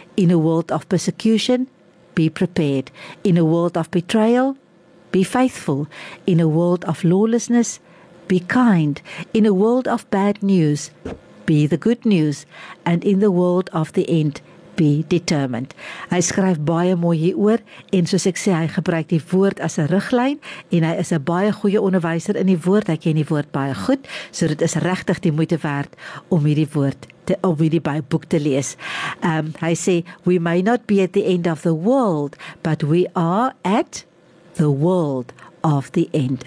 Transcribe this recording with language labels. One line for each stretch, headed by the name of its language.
English: In a world of persecution, be prepared. In a world of betrayal, be faithful. In a world of lawlessness, be kind. In a world of bad news, be the good news. And in the world of the end, be determined.
Afrikaans: Hy skryf baie mooi hieroor en soos ek sê, hy gebruik die woord as 'n riglyn en hy is 'n baie goeie onderwyser in die woord. Hy ken die woord baie goed, so dit is regtig die moeite werd om hierdie woord te of hierdie boek te lees. Hy sê,
English: we may not be at the end of the world, but we are at the world of the end.